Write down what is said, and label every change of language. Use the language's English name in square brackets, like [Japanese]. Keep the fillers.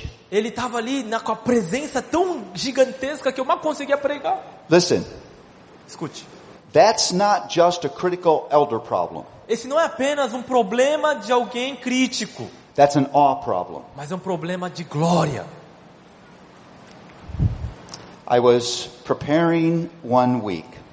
[Portuguese] Ele estava ali na, com a presença tão gigantesca que eu mal conseguia pregar. [English] Ah, listen. [Portuguese] Escute. [English] That's not just a critical elder problem. [Portuguese] Esse não é apenas um problema de alguém crítico. [English] That's an awe problem. [Portuguese] Mas é um problema de glória. [English] I was preparing one week.